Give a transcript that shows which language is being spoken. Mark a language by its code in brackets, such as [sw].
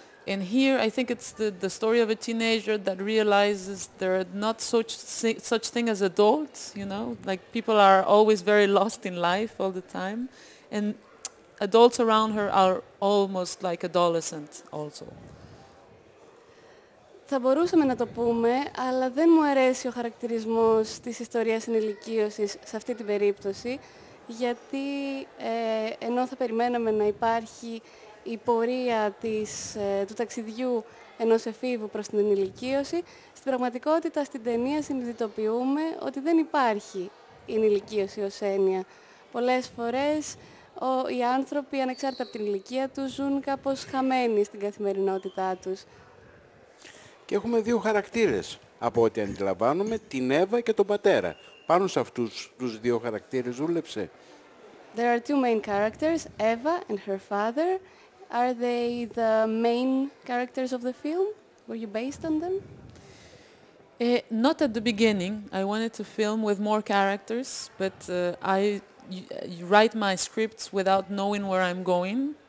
[en] And here, I think it's the story of a teenager that realizes there are not such thing as adults, you know? Like, people are always very lost in life all the time. And adults around her are almost like adolescents also. [el] Θα μπορούσαμε να το πούμε, αλλά δεν μου αρέσει ο χαρακτηρισμός της ιστορίας ενηλικίωσης σε αυτή την περίπτωση, γιατί ενώ θα περιμέναμε να υπάρχει η πορεία του ταξιδιού ενός εφήβου προς την ενηλικίωση, στην πραγματικότητα, στην ταινία, συνειδητοποιούμε ότι δεν υπάρχει η ενηλικίωση ως έννοια. Πολλές φορές οι άνθρωποι, ανεξάρτητα από την ηλικία τους, ζουν κάπως χαμένοι στην καθημερινότητά τους. Και έχουμε δύο χαρακτήρες, από ό,τι αντιλαμβάνουμε, την Εύα και τον πατέρα. Πάνω σε αυτούς τους δύο χαρακτήρες δούλεψε. [en] There are two main characters, Eva and her father. Are they the main characters of the film? Were you based on them? Not at the beginning. I wanted to film with more characters, but I write my scripts without knowing where I'm going.